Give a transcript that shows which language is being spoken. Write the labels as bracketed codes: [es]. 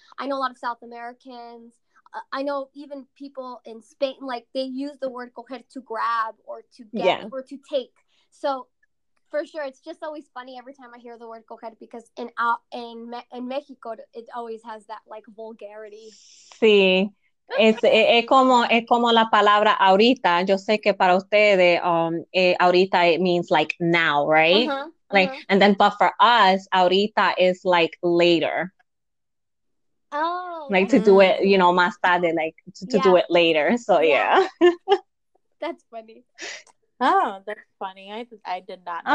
[en] I know a lot of South Americans. I know even people in Spain, like they use the word coger to grab or to get or to take. So. For sure, it's just always funny every time I hear the word coger because in Mexico it always has that like vulgarity. [es] Sí, es como la palabra ahorita. Yo sé que para ustedes ahorita [en] it means like now, right? Uh-huh. Like, and then but for us ahorita is like later. Oh, like to do it, you know, [es] más tarde, [en] like to do it later. So that's funny. Oh, that's funny. I did not know.